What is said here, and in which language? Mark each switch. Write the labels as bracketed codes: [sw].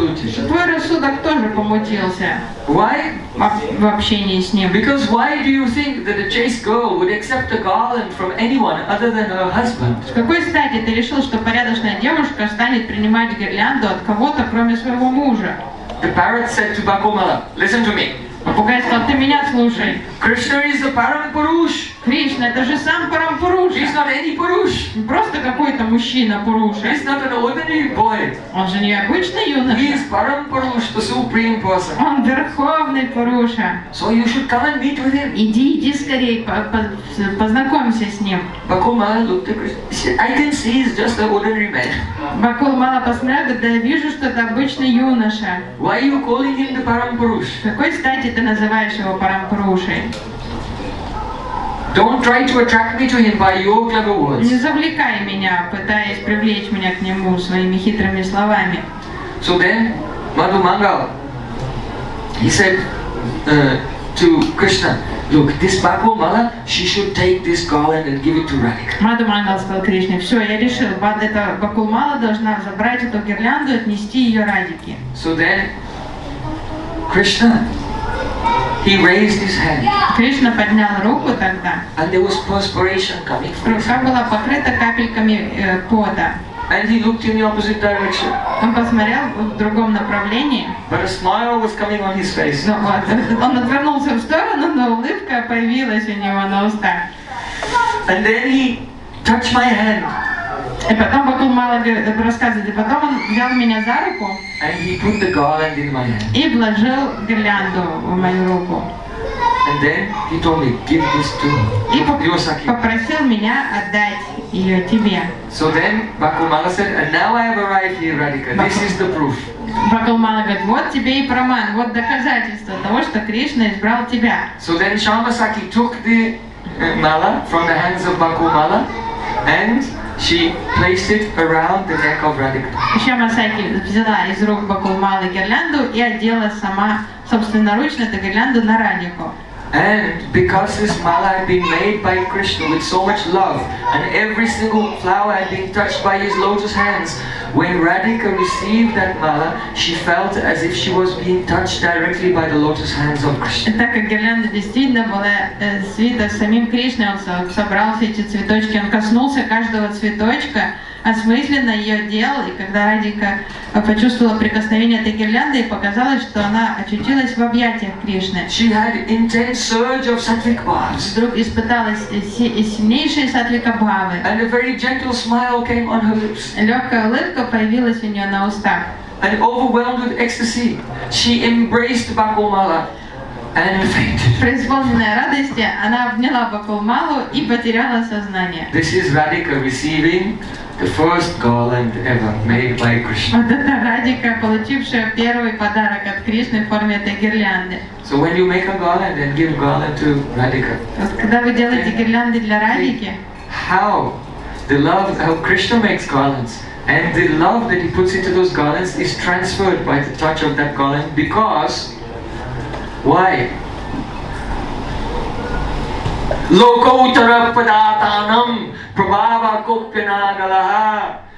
[ru] твой рассудок тоже помутился. [en] Why? [ru] В общении с ним. [en] Because why do you think that a chaste girl would accept a garland from anyone other than her husband? [ru] С какой стати ты решил, что порядочная девушка станет принимать гирлянду от кого-то, кроме своего мужа? [en] The parrot said to Bakul Mala, "Listen to me." [ru] Попугай сказал: "Ты меня слушай." [en] Krishna is the Parampurush. [ru] Кришна — это же сам Парампуруш. [en] He's not any Purush. [ru] Просто какой-то мужчина Пуруш. [en] He's not an ordinary boy. [ru] Он же не обычный юноша. [en] He is Parampurush, the supreme person. [ru] Он верховный Пуруша. [en] So you should come and meet with him. [ru] Иди скорее, познакомься с ним. [en] Bakul Mala looked at Krishna. I can see he's just an ordinary man. [ru] Bakul Mala посмотрел, да я вижу, что это обычный юноша. [en] Why are you calling him the Parampurush? [ru] Какой стати ты называешь его Парампурушей? [en] Don't try to attract me to him by your clever words. [ru] Не завлекай меня, пытаясь привлечь меня к нему своими хитрыми словами. [en] So then, Madhu Mangal, he said to Krishna, "Look, this Bakul Mala, she should take this garland and give it to Radhika." [ru] Madhu Mangal сказал Кришне: "Все, я решил, эта Бакул Мала должна забрать эту гирлянду и отнести ее Радике." [en] So then, Krishna. He raised his hand. [ru] Кришна поднял руку тогда. [en] And there was perspiration coming from his hand. [ru] Рука была покрыта капельками пота. [en] And he looked in the opposite direction. [ru] Он посмотрел в другом направлении. [en] But a smile was coming on his face. [ru] Но он отвернулся в сторону, но улыбка появилась у него на устах. [en] And then he touched my hand. [ru] И потом Бакул Мала рассказывает, и потом он взял меня за руку [en] and he put the garland in my hand. [ru] И вложил гирлянду в мою руку. [en] And then he told me, "Give this to [ru] и попросил меня отдать ее тебе. [en] So then Bakul Mala said, "And now I have arrived here, Radhika. This is the proof." [ru] Бакул Мала говорит: "Вот тебе и праман, вот доказательство того, что Кришна избрал тебя." [en] So then Shyamasakhi took the mala from the hands of Bakul Mala and she placed it around the neck of Radhika. [ru] Шьямасакхи взяла из рук Бакул Малы гирлянду и одела сама собственноручно эту гирлянду на Радику. [en] And because this mala had been made by Krishna with so much love, and every single flower had been touched by his lotus hands, when Radhika received that mala, she felt as if she was being touched directly by the lotus hands of Krishna. [ru] Так как гирлянда действительно была свита самим Кришной, он собрал все эти цветочки, он коснулся каждого цветочка, осмысленно ее делал, и когда Радика почувствовала прикосновение этой гирлянды, и показалось, что она очутилась в объятиях Кришны. [en] She had intense surge of sattvic bhavas. [ru] Вдруг испыталась сильнейшие сатвика бхавы. [en] And a very gentle smile came on her lips. [ru] Легкая улыбка появилась у нее на устах. [en] And overwhelmed with ecstasy, she embraced Bakulmala and fainted. [ru] Преисполненная радости, она обняла Бакулмалу и потеряла сознание. [en] This is Radhika receiving the first garland ever made by Krishna. [ru] Вот это Радика, получившая первый подарок от Кришны в форме этой гирлянды. [en] So when you make a garland and give garland to Radhika, [ru] когда вы делаете гирлянды для Радики, [en] how the love how Krishna makes garlands and the love that he puts into those garlands is transferred by the touch of that garland, because why? [sa] Lokottarapadatanam prabhava kopyanagalaha.